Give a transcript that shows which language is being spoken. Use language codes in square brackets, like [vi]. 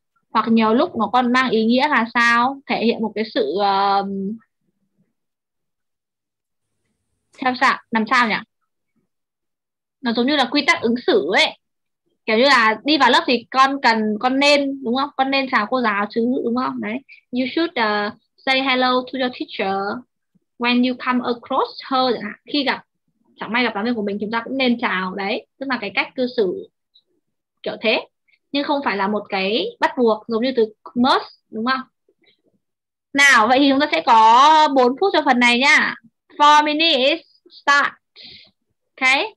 [vi] Hoặc nhiều lúc nó còn mang ý nghĩa là sao? Thể hiện một cái sự... theo sao? Làm sao nhỉ? Nó giống như là quy tắc ứng xử ấy. Kiểu như là đi vào lớp thì con nên, đúng không? Con nên chào cô giáo chứ, đúng không? Đấy. [en] You should say hello to your teacher when you come across her. [vi] Khi gặp chẳng may gặp giáo viên của mình, chúng ta cũng nên chào đấy, tức là cái cách cư xử kiểu thế, nhưng không phải là một cái bắt buộc giống như từ must, đúng không nào? Vậy thì chúng ta sẽ có 4 phút cho phần này nhá. [en] 4 minutes start. Ok.